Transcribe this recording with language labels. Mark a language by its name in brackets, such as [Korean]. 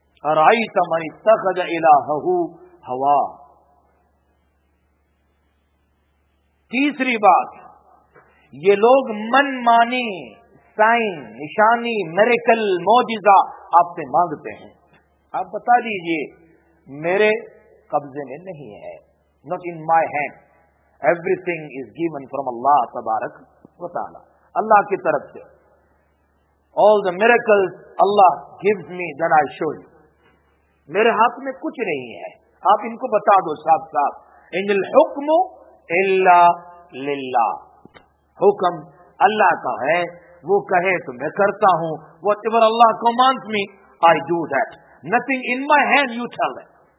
[Arabic] ارائیت من اتخذ الہہ ہوا, [Urdu] تیسری بات, یہ لوگ من مانی سائن نشانی میریکل معجزہ آپ سے مانگتے ہیں. آپ بتا دیجئے میرے قبضے میں نہیں ہے, [English] not in my hand, everything is given from Allah [Urdu] تبارک و تعالی, اللہ کی طرف سے. [English] All the miracles Allah gives me, then I show you. [Urdu] میرے ہاتھ میں کچھ نہیں ہے, آپ ان کو بتا دو صاحب صاحب. [Arabic] ان الحکم الا للہ, [Urdu] حکم اللہ کا ہے, وہ کہے تو میں کرتا ہوں. [English] What ever Allah command me I do that, nothing in my hand you tell it.